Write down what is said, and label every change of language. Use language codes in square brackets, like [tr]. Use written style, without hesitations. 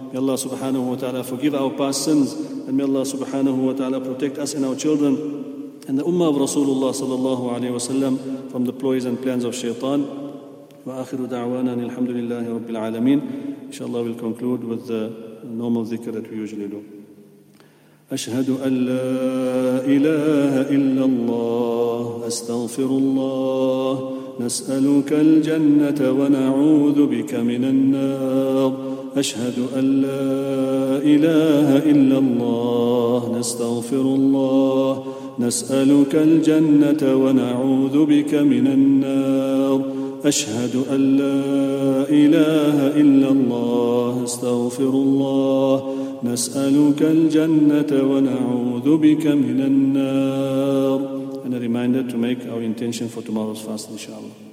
[en] May Allah subhanahu wa ta'ala forgive our past sins, and may Allah subhanahu wa ta'ala protect us and our children and the ummah of Rasulullah sallallahu alayhi wa sallam from the ploys and plans of shaitan. [ar] Wa akhiru da'wana and alhamdulillahi rabbil alameen. [en] InshaAllah we'll conclude with the normal dhikr that we usually do. [ar] Ashhadu an la ilaha illallah, astaghfirullah, نسألك الجنة ونعوذ بك من النار أشهد أن لا إله إلا الله نستغفر الله نسألك الجنة ونعوذ بك من النار أشهد أن لا إله إلا الله استغفر الله نسألك الجنة ونعوذ بك من النار. [en] And a reminder to make our intention for tomorrow's fast, inshallah.